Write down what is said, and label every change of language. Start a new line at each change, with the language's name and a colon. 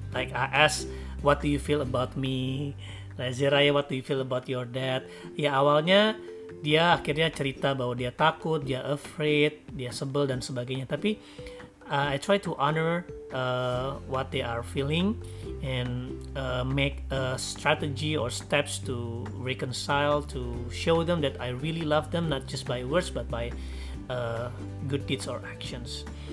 English: Like I ask, what do you feel about me? Like, Zeraya, what do you feel about your dad?
Indonesian: Ya awalnya dia akhirnya cerita bahwa dia takut, dia afraid, dia sebel dan sebagainya. Tapi
English: I try to honor what they are feeling and make a strategy or steps to reconcile, to show them that I really love them, not just by words but by good deeds or actions.